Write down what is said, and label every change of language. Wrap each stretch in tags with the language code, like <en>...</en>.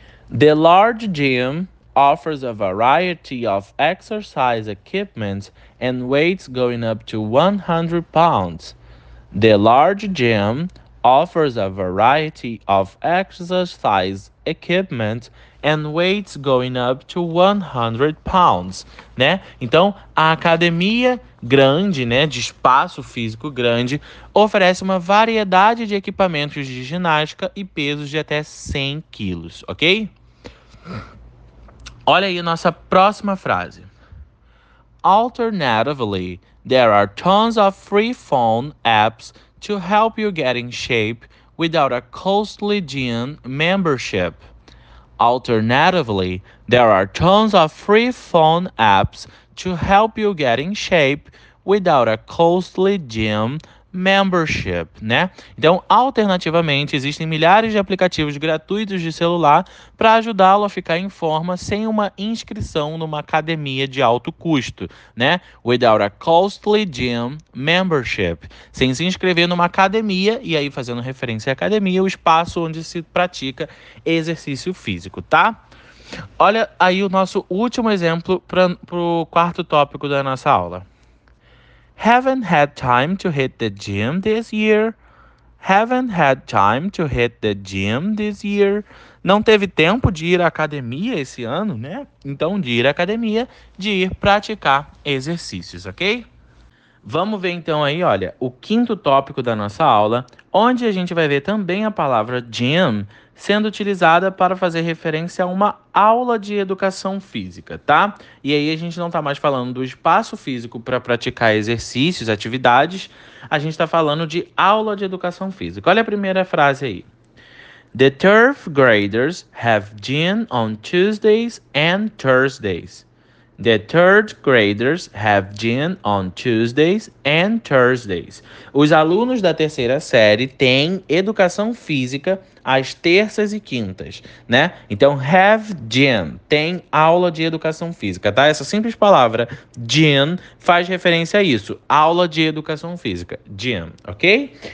<en>The large gym offers a variety of exercise equipment and weights going up to 100 pounds. The large gym offers a variety of exercise equipment and weights going up to 100 pounds, né?</en> <pt>Então, a academia grande, né, de espaço físico grande, oferece uma variedade de equipamentos de ginástica e pesos de até 100 quilos, ok? Olha aí a nossa próxima frase.</pt> <en>Alternatively, there are tons of free phone apps to help you get in shape without a costly gym membership. Alternatively, there are tons of free phone apps to help you get in shape without a costly gym membership, né?</en> <pt>Então, alternativamente, existem milhares de aplicativos gratuitos de celular para ajudá-lo a ficar em forma sem uma inscrição numa academia de alto custo, né?</pt> <en>Without a costly gym membership.</en> <pt>Sem se inscrever numa academia, e aí fazendo referência à academia, o espaço onde se pratica exercício físico, tá? Olha aí o nosso último exemplo para o quarto tópico da nossa aula.</pt> <en>Haven't had time to hit the gym this year. Haven't had time to hit the gym this year.</en> <pt>Não teve tempo de ir à academia esse ano, né? Então, de ir à academia, de ir praticar exercícios, ok? Vamos ver então aí, olha, o quinto tópico da nossa aula, onde a gente vai ver também a palavra gym sendo utilizada para fazer referência a uma aula de educação física, tá? E aí a gente não está mais falando do espaço físico para praticar exercícios, atividades, a gente está falando de aula de educação física. Olha a primeira frase aí.</pt> <en>The turf graders have gym on Tuesdays and Thursdays. The third graders have gym on Tuesdays and Thursdays.</en> <pt>Os alunos da terceira série têm educação física às terças e quintas, né? Então,</pt> <en>have gym</en> <pt>tem aula de educação física, tá? Essa simples palavra gym faz referência a isso, aula de educação física, gym, ok?</pt>